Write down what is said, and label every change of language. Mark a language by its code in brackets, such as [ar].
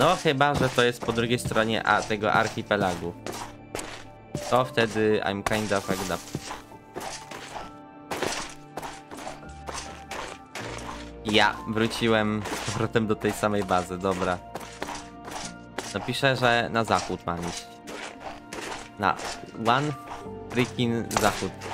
[pl] No chyba, że to jest po drugiej stronie tego archipelagu. To wtedy [en] I'm kinda fucked up. [pl] Ja wróciłem z powrotem do tej samej bazy, dobra. Napiszę, że na zachód mam iść. Na [en] one freaking [pl] zachód.